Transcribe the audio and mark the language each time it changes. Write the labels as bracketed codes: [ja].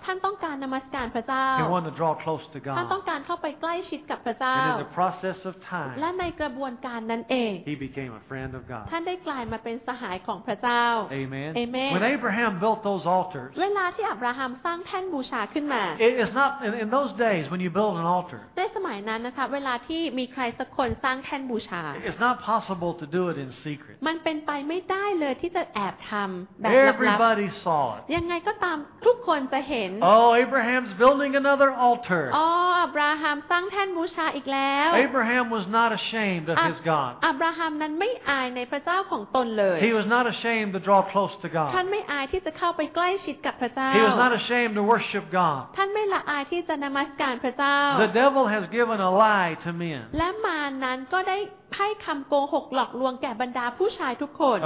[th] ท่านต้องการนมัสการพระเจ้า [en] he wanted to draw close to God [th] ท่านต้องการเข้าไปใกล้ชิดกับพระเจ้า [en] in the process of time [th] และในกระบวนการนั้นเอง [en] he became a friend of God [th] ท่านได้กลายมาเป็นสหายของพระเจ้า [en] amen amen when Abraham built those altars [th] เวลาที่อับราฮัมสร้างแท่นบูชาขึ้นมา [en] It's not in those days when you build an altar [th] ในสมัยนั้นนะคะเวลาที่มีใครสักคนสร้างแท่นบูชา [en] It's not possible to do it in secret [th] มันเป็นไปไม่ได้เลยที่จะแอบทำแบบลับ [en] Everybody saw it [th] ยังไงก็ตามทุกคนจะเห็น [en] Oh Abraham's building another altar [th] อ๋ออับราฮัมสร้างแท่นบูชาอีกแล้ว [en] Abraham was not ashamed of his God [th] อับราฮัมนั้นไม่อายในพระเจ้าของตนเลย [en] He was not ashamed to draw close to God [th] ท่านไม่อายที่จะเข้าไปใกล้ชิดกับพระเจ้า [en] He was not not ashamed to worship God. [th] ท่านไม่ละอายที่จะนมัสการพระเจ้า [en] The devil has given a lie to men. [th] และมารนั้นก็ได้ให้คำโกหกหลอกลวงแก่บรรดาผู้ชายทุกคน